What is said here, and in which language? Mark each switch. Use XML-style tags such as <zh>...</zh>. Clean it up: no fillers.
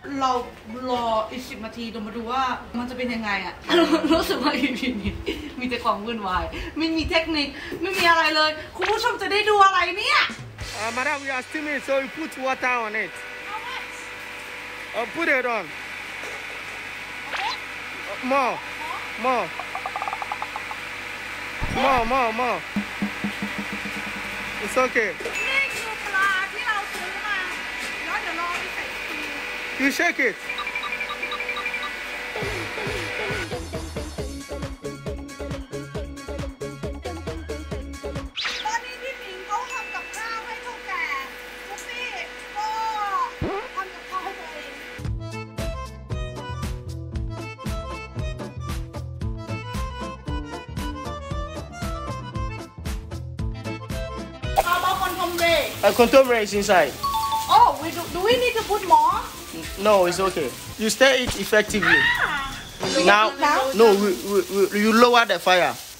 <th>รออีก10นาทีดูมาดูว่ามันจะเป็นยังไงอ่ะรู้สึกว่าอีพีนี้มีแต่ของวุ่นวายไม่มีเทคนิคไม่มีอะไรเลยคุณผู้ชมจะได้ดูอะไรเนี่ย</th> <en>Madam, we are steaming, so we put water on it. How much? Put it on. Okay. More. It's okay. You shake it.</en> <th>ตอนนี้พี่ปิงเขาทำกับข้าวให้ทุกแก่ทุกพี่ก็ทำกับข้าวให้เองข้าวบ้าคอนโทมเ</th> <en>บย์คอนโทมเบย์ is inside. Oh, do we need to put more? No, it's okay. You stir it effectively. Ah, now, no, we, you lower the fire.</en>